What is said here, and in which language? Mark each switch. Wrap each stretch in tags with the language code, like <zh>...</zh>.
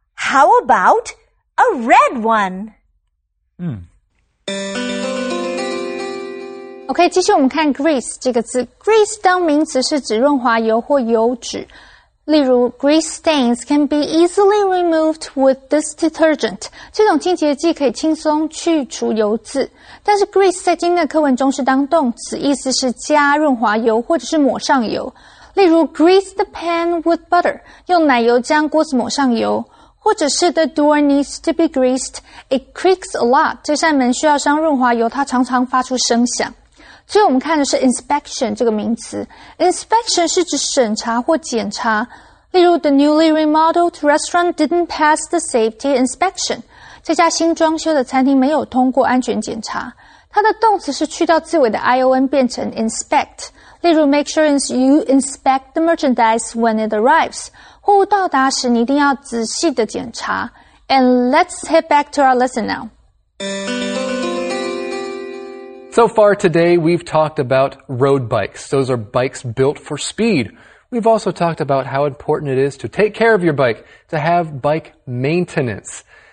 <en>How about a red one?</en> <zh>OK, 继续我们看 grease 这个字。grease 当名词是指润滑油或油脂。例如</zh> <en>grease stains can be easily removed with this detergent.</en> <zh>这种清洁剂可以轻松去除油渍。但是 grease 在今天的课文中是当动词，意思是加润滑油或者是抹上油。</zh> <en>例如 grease the pan with butter,</en> <zh>用奶油将锅子抹上油。</zh> <en>或者是 the door needs to be greased, it creaks a lot,</en> <zh>这扇门需要上润滑油，它常常发出声响。所以我们看的是 inspection 这个名词。Inspection 是指审查或检查。例如</zh> <en>the newly remodeled restaurant didn't pass the safety inspection.</en> <zh>这家新装修的餐厅没有通过安全检查。它的动词是去掉字尾的 ion 变成 inspect。例如</zh> <en>make sure you inspect the merchandise when it arrives.</en> <zh>货物到达时你一定要仔细的检查。</zh> <en>And let's head back to our lesson now. So far today, we've talked about road bikes. Those are bikes built for speed. We've also talked about how important it is to take care of your bike, to have bike maintenance.</en>